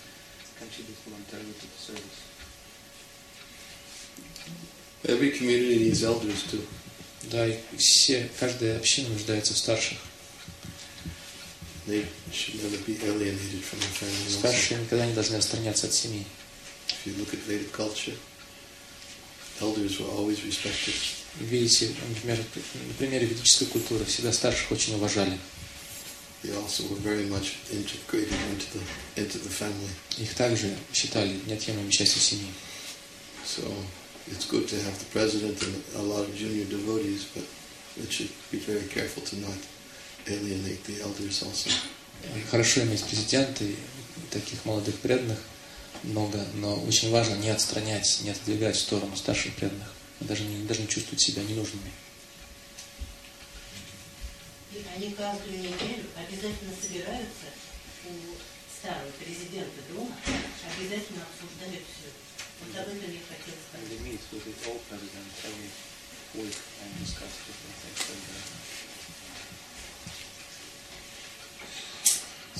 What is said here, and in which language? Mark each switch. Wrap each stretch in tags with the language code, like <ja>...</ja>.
<en>Somebody takes upon himself a great self-initiative to contribute to critical service, then he becomes inspired and he becomes competent, and if someone doesn't, then he doesn't contribute voluntarily to the service. Every community needs elders too.</en> <ru>Да, и все, каждая община нуждается в старших.</ru> <en>They should never be alienated from their family.</en> <ru>Старшие никогда не должны отстраняться от семьи.</ru> <en>If you look at Vedic culture, elders were always respected.</en> <ru>Видите, например, на примере ведической культуры всегда старших очень уважали.</ru> <en>They also were very much integrated into the family.</en> <ru>Их также считали неотъемлемой частью семьи.</ru> <en>So it's good to have the president and a lot of junior devotees, but it should be very careful to not alienate the elders also.</en> <ru>Хорошо иметь президента и таких молодых преданных много, но очень важно не отстранять, не отодвигать в сторону старших преданных. Даже не чувствовать себя ненужными. И они каждую неделю обязательно собираются у старого президента дома, обязательно обсуждают все.</ru> <en>They meet with the old president every week and discuss different things.</en>